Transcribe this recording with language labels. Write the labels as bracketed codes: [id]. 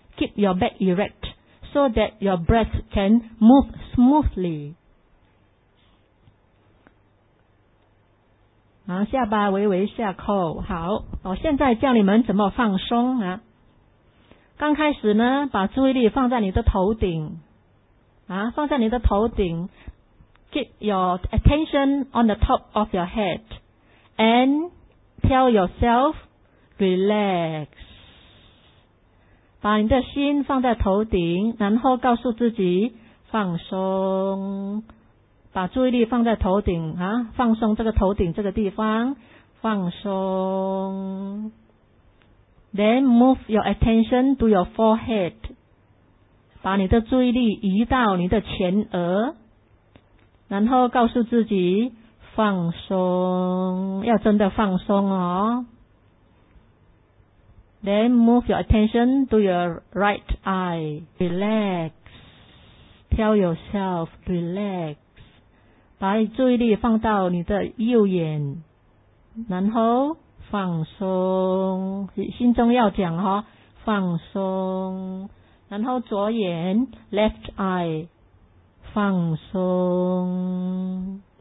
[en] Keep your back erect so that your breath can move smoothly、啊、 [zh] 下巴微微下扣。好，我现在教你们怎么放松啊。刚开始呢把注意力放在你的头顶啊，放在你的头顶。 [en] Keep your attention on the top of your head and tell yourself relax. [zh] 把你的心放在头顶，然后告诉自己放松，把注意力放在头顶啊，放松这个头顶这个地方，放松。 [en] Then move your attention to your forehead. [zh] 把你的注意力移到你的前额，然后告诉自己放松，要真的放松哦。 [en] Then move your attention to your right eye. Relax. Tell yourself relax. [zh] 把注意力放到你的右眼，然后放松，心中要讲哈，放松。然后左眼 ， [en] left eye， [zh] 放松。